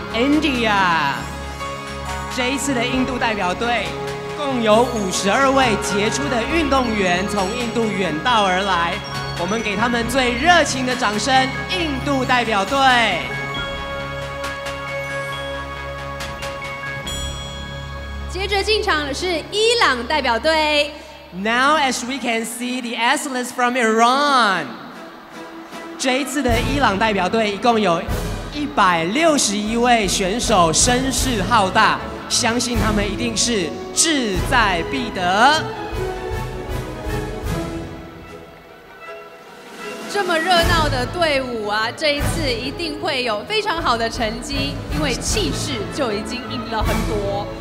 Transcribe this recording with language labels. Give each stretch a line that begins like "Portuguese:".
Chinese: India, 这一次的印度代表队共有52位杰出的运动员从印度远道而来，我们给他们最热情的掌声。印度代表队。接着进场的是伊朗代表队。
English: Now as we can see the athletes from Iran.
Chinese: 这一次的伊朗代表队一共有161位选手，声势浩大，相信他们一定是志在必得。这么热闹的队伍啊，这一次一定会有非常好的成绩，因为气势就已经赢了很多。